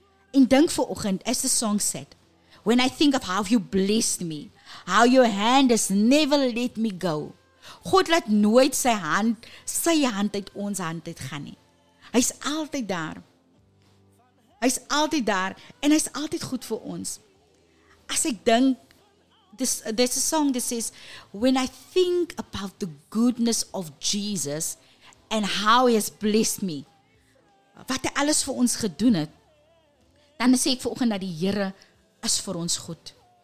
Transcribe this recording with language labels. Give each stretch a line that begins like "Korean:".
Afrikaans: En dink vanoggend,
English: as the song said, when I think of how you blessed me, how your hand has never let me go.
Afrikaans: God laat nooit sy hand uit ons hand uit gaan nie. Hy is altyd daar. Hy is altyd daar en hy is altyd goed vir ons. As ek dink,
English: there's a song that says, when I think about the goodness of Jesus and how he has blessed me,
Afrikaans: wat hy alles vir ons gedoen het, dan sê ek vanoggend dat die Here is vir ons goed.